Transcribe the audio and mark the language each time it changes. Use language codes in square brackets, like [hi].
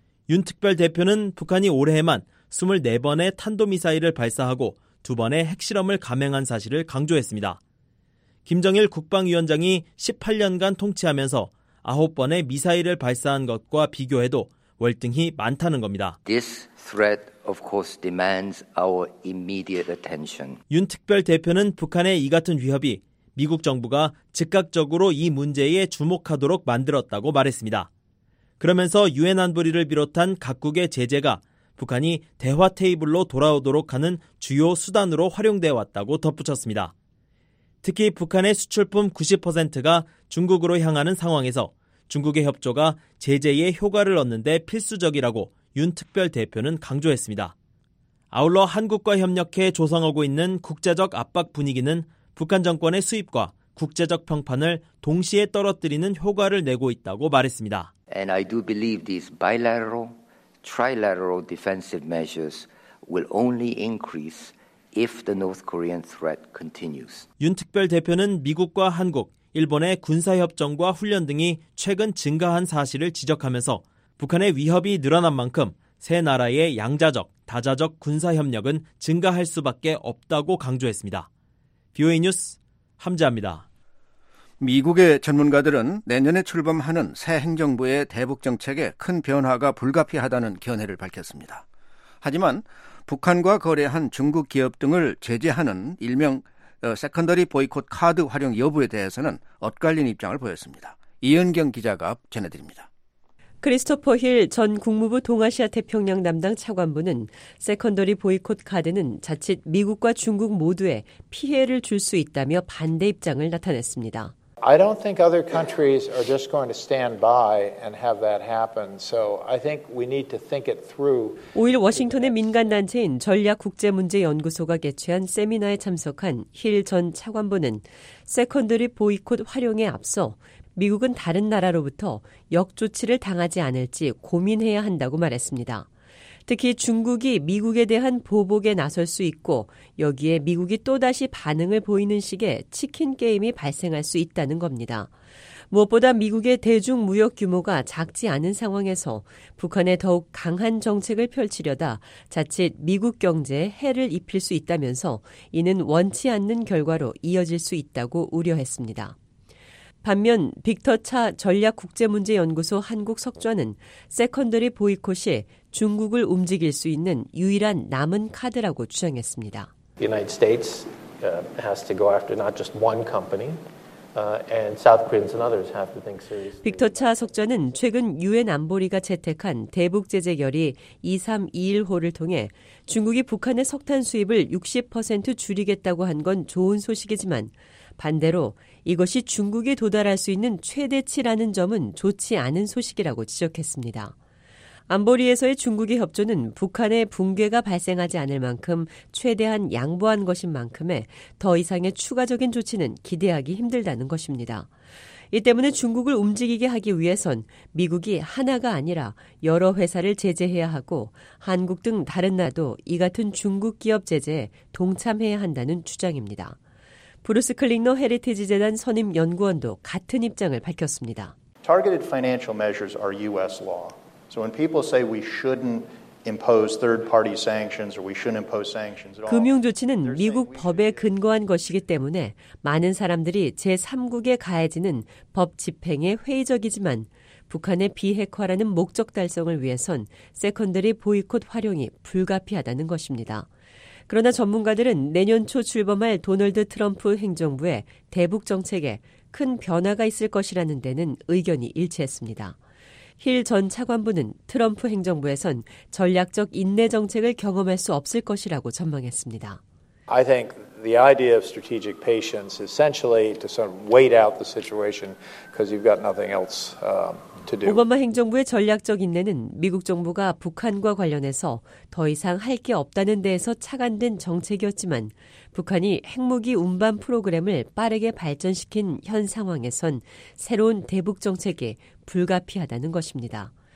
[ko] 윤 특별 대표는 북한이 올해에만 24번의 탄도미사일을 발사하고 두 번의 핵실험을 감행한 사실을 강조했습니다. 김정일 국방위원장이 18년간 통치하면서 9번의 미사일을 발사한 것과 비교해도 월등히 많다는 겁니다. [en] This threat of course demands our immediate attention. [ko] 윤 특별 대표는 북한의 이 같은 위협이 미국 정부가 즉각적으로 이 문제에 주목하도록 만들었다고 말했습니다. 그러면서 유엔 안보리를 비롯한 각국의 제재가 북한이 대화 테이블로 돌아오도록 하는 주요 수단으로 활용되어 왔다고 덧붙였습니다. 특히 북한의 수출품 90%가 중국으로 향하는 상황에서 중국의 협조가 제재의 효과를 얻는 데 필수적이라고 윤 특별 대표는 강조했습니다. 아울러 한국과 협력해 조성하고 있는 국제적 압박 분위기는 북한 정권의 수입과 국제적 평판을 동시에 떨어뜨리는 효과를 내고 있다고 말했습니다. [en] And I do believe these bilateral, trilateral defensive measures will only increase if the North Korean threat continues. [ko] 윤 특별 대표는 미국과 한국, 일본의 군사 협정과 훈련 등이 최근 증가한 사실을 지적하면서 북한의 위협이 늘어난 만큼 세 나라의 양자적, 다자적 군사협력은 증가할 수밖에 없다고 강조했습니다. BOA 뉴스 함재합니다. 미국의 전문가들은 내년에 출범하는 새 행정부의 대북정책에 큰 변화가 불가피하다는 견해를 밝혔습니다. 하지만 북한과 거래한 중국 기업 등을 제재하는 일명 세컨더리 보이콧 카드 활용 여부에 대해서는 엇갈린 입장을 보였습니다. 이은경 기자가 전해드립니다. 크리스토퍼 힐 전 국무부 동아시아 태평양 담당 차관부는 세컨더리 보이콧 카드는 자칫 미국과 중국 모두에 피해를 줄 수 있다며 반대 입장을 나타냈습니다. [en] I don't think other countries are just going to stand by and have that happen. So I think we need to think it through. [ko] 5일 워싱턴의 민간 단체인 전략 국제 문제 연구소가 개최한 세미나에 참석한 힐 전 차관부는 세컨더리 보이콧 활용에 앞서 미국은 다른 나라로부터 역조치를 당하지 않을지 고민해야 한다고 말했습니다. 특히 중국이 미국에 대한 보복에 나설 수 있고 여기에 미국이 또다시 반응을 보이는 식의 치킨 게임이 발생할 수 있다는 겁니다. 무엇보다 미국의 대중 무역 규모가 작지 않은 상황에서 북한에 더욱 강한 정책을 펼치려다 자칫 미국 경제에 해를 입힐 수 있다면서 이는 원치 않는 결과로 이어질 수 있다고 우려했습니다. 반면 빅터 차 전략국제문제연구소 한국석좌는 세컨더리 보이콧이 중국을 움직일 수 있는 유일한 남은 카드라고 주장했습니다. [en] The United States has to go after not just one company. And South Koreans and others have to think seriously. [ko] 빅터 차 석좌는 최근 유엔 안보리가 채택한 대북 제재 결의 2321호를 통해 중국이 북한의 석탄 수입을 60% 줄이겠다고 한 건 좋은 소식이지만 반대로 이것이 중국에 도달할 수 있는 최대치라는 점은 좋지 않은 소식이라고 지적했습니다. 안보리에서의 중국의 협조는 북한의 붕괴가 발생하지 않을 만큼 최대한 양보한 것인 만큼에 더 이상의 추가적인 조치는 기대하기 힘들다는 것입니다. 이 때문에 중국을 움직이게 하기 위해선 미국이 하나가 아니라 여러 회사를 제재해야 하고 한국 등 다른 나라도 이 같은 중국 기업 제재에 동참해야 한다는 주장입니다. 브루스 클링너 헤리티지 재단 선임 연구원도 같은 입장을 밝혔습니다. [en] Targeted financial measures are U.S. law. So when people say we shouldn't impose third-party sanctions or we shouldn't impose sanctions at all, [ko] 금융 조치는 미국 법에 근거한 것이기 때문에 많은 사람들이 제3국에 가해지는 법 집행에 회의적이지만 북한의 비핵화라는 목적 달성을 위해선 세컨더리 보이콧 활용이 불가피하다는 것입니다. 그러나 전문가들은 내년 초 출범할 도널드 트럼프 행정부의 대북 정책에 큰 변화가 있을 것이라는 데는 의견이 일치했습니다. 힐 전 차관부는 트럼프 행정부에선 전략적 인내 정책을 경험할 수 없을 것이라고 전망했습니다. [en] I think the idea of strategic patience is essentially to sort of wait out the situation because you've got nothing else to do. [ko] 오바마 행정부의 전략적 인내는 미국 정부가 북한과 관련해서 더 이상 할 게 없다는 데에서 착안된 정책이었지만 북한이 핵무기 운반 프로그램을 빠르게 발전시킨 현 상황에선 새로운 대북 정책이 불가피하다는 것입니다.